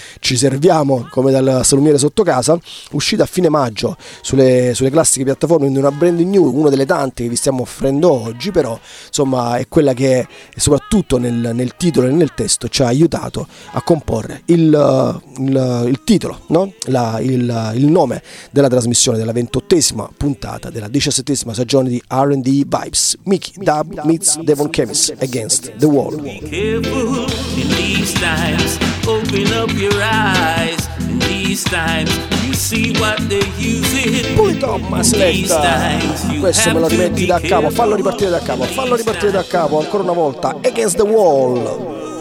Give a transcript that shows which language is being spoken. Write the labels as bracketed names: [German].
[Italian] ci serviamo come dal salumiere sotto casa, uscita a fine maggio sulle classiche piattaforme, in una [English] brand new, [Italian] una delle tante che vi stiamo offrendo oggi, però insomma è quella che soprattutto nel titolo e nel testo ci ha aiutato a comporre il titolo, no? Il nome della trasmissione della 28ª puntata della 17ª stagione di R&D Vibes. [English] Mickey Dub meets Devon Chemis against the wall. Be careful in these times, open up your eyes, in these times you see what they're using. [Italian] Poi Thomas, aspetta, questo me lo rimetti da capo, fallo ripartire da capo ancora una volta, [English] against the wall.